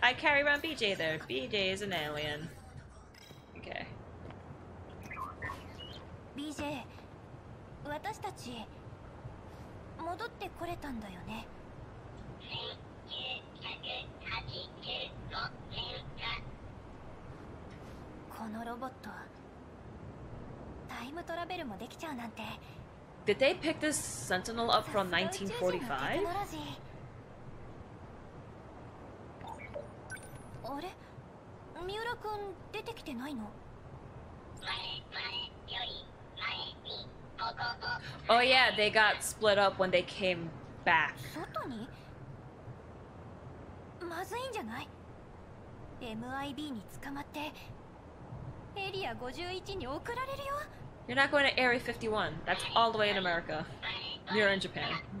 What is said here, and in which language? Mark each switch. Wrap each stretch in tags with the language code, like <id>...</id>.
<en>I carry around BJ there. BJ is an alien. Okay.</en> <ja>BJ, 私たち戻ってこれたんだよね。このロボット、タイムトラベルもできちゃうなんて。</ja> <en>Did they pick this Sentinel up from 1945?</en> <ja>あれ、ミューラ君出てきてないの？</ja> <en>Oh yeah, they got split up when they came back.</en> <ja>外に？まずいんじゃない？ MIB に捕まってエリア51に送られるよ。</ja> <en>You're not going to Area 51. That's all the way in America. You're in Japan.</en>